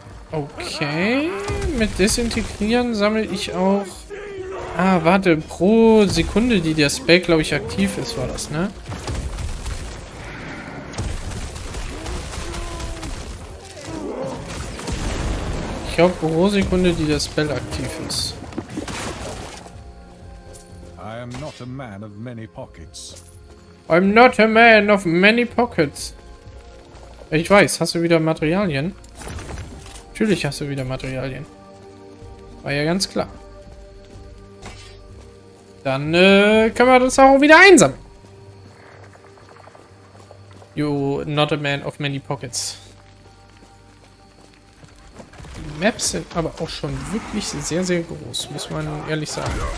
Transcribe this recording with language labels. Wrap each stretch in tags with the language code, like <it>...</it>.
<de>Okay. Mit Desintegrieren sammle ich auch. Ah, warte. Pro Sekunde, die der Spell, glaube ich, aktiv ist, war das, ne? Ich glaube, pro Sekunde, die der Spell aktiv ist.</de> <en>am not a man of many pockets. I'm not a man of many pockets.</en> <de>Ich weiß, hast du wieder Materialien? Natürlich hast du wieder Materialien. War ja ganz klar. Dann können wir das auch wieder einsammeln.</de> <en>You're not a man of many pockets.</en> <de>Die Maps sind aber auch schon wirklich sehr, sehr groß, muss man ehrlich sagen.</de>